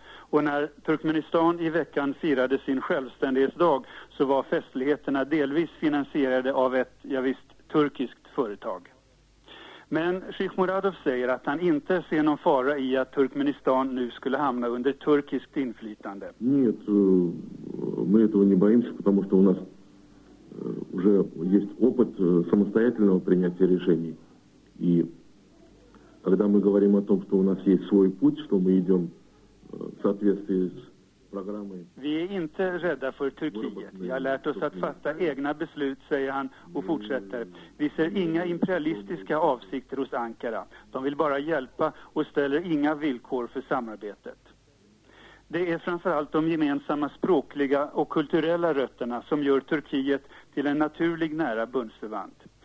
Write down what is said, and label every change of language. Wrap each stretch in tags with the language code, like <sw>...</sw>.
<sv>Och när Turkmenistan i veckan firade sin självständighetsdag så var festligheterna delvis finansierade av ett, turkiskt företag. Men Shikhmuradov säger att han inte ser någon fara i att Turkmenistan nu skulle hamna under turkiskt inflytande. Nej, vi är inte bäst, för att vi har...</sv> <ru>уже есть опыт самостоятельного принятия решений. И когда мы говорим о том, что у нас есть свой путь, что мы идем в соответствии с программой...</ru> <sv>Vi är inte rädda för Turkiet. Vi har lärt oss att fatta egna beslut, säger han och fortsätter. Vi ser inga imperialistiska avsikter hos Ankara. De vill bara hjälpa och ställer inga villkor för samarbetet. Det är framförallt de gemensamma språkliga och kulturella rötterna som gör Turkiet till en naturlig nära bundsförvant.</sv>